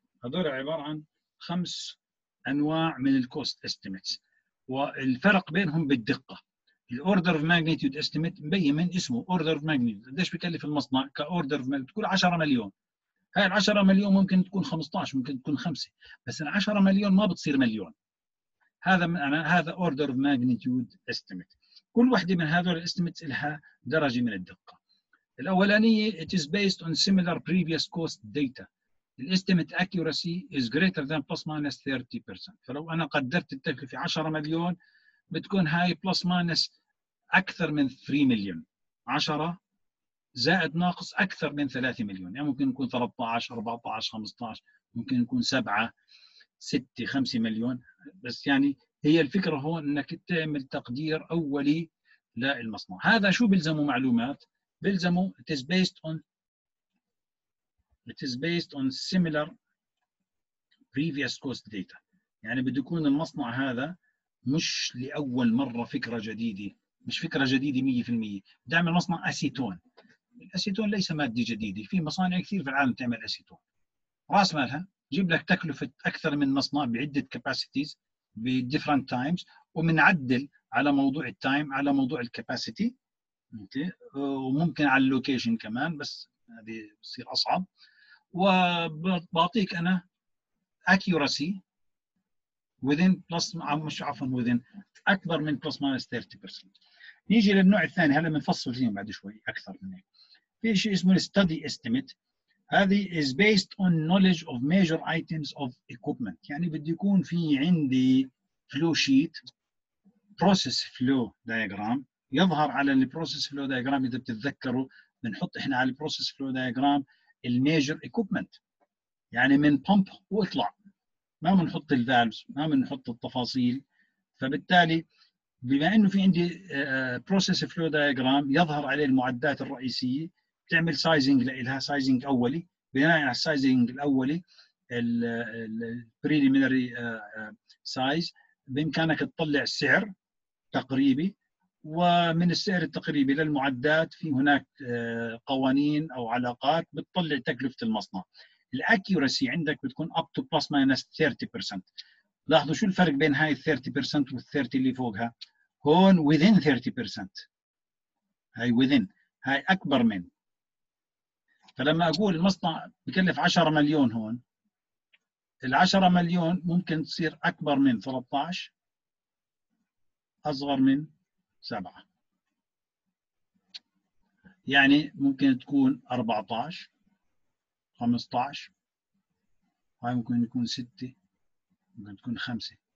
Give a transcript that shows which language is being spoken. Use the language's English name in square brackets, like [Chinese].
[Arabic] هذول عبارة عن خمس أنواع من الكوست estimates، والفرق بينهم بالدقة. الorder of magnitude estimate مبين من اسمه order of magnitude، قديش بكلف المصنع كorder of magnitude، تقول 10 مليون. هاي 10 مليون ممكن تكون 15، ممكن تكون 5، بس 10 مليون ما بتصير مليون. هذا أنا هذا order of magnitude estimate. كل واحدة من هذول estimates لها درجة من الدقة. الأولانية [English] it is based on similar previous cost data. The estimate accuracy is greater than plus minus 30%. [Arabic] فلو أنا قدرت التكلفة 10 مليون بتكون هاي plus minus أكثر من 3 مليون. 10 زائد ناقص أكثر من 3 مليون. يعني ممكن يكون 13، 14، 15، ممكن يكون 7، 6، 5 مليون. بس يعني هي الفكرة هون أنك تعمل تقدير أولي للمصنع. هذا شو بيلزمه معلومات؟ بلزمه [English] it is based on similar previous cost data. [Arabic] يعني بده يكون المصنع هذا مش لأول مرة فكرة جديدة، مش فكرة جديدة 100%. بدي اعمل مصنع أسيتون. الأسيتون ليس مادة جديدة، في مصانع كثير في العالم تعمل أسيتون. رأس مالها جيب لك تكلفة أكثر من مصنع بعدة capacities بdifferent times، ومنعدل على موضوع التايم، على موضوع الكاباسيتي، وممكن على اللوكيشن كمان، بس هذه بصير أصعب. وبعطيك أنا [English] accuracy within plus [Arabic] مش عفواً within أكبر من plus minus 30%. نيجي للنوع الثاني، هلا منفصل فيهم بعد شوي أكثر منه. في شيء اسمه study estimate. هذه [English] is based on knowledge of major items of equipment. [Arabic] يعني بدي يكون في عندي flow sheet، process flow diagram. يظهر على البروسيس فلو دايجرام، اذا بتتذكروا بنحط احنا على البروسيس فلو دايجرام الميجر ايكويبمنت، يعني من بامب واطلع، ما بنحط الفالفز، ما بنحط التفاصيل. فبالتالي بما انه في عندي بروسيس فلو دايجرام يظهر عليه المعدات الرئيسيه، بتعمل سايزنج لها، سايزنج اولي. بناء على السايزنج الاولي البريليمينري سايز بامكانك تطلع السعر تقريبي، ومن السعر التقريبي للمعدات في هناك قوانين أو علاقات بتطلع تكلفة المصنع. الأكيوراسي عندك بتكون [English] up to plus minus 30%. [Arabic] لاحظوا شو الفرق بين هاي 30% وال 30 اللي فوقها. هون within 30%، هاي within، هاي أكبر من. فلما أقول المصنع بكلف 10 مليون هون، العشرة مليون ممكن تصير أكبر من 13 أصغر من 7، يعني ممكن تكون 14 15، هاي ممكن يكون 6 ممكن تكون 5.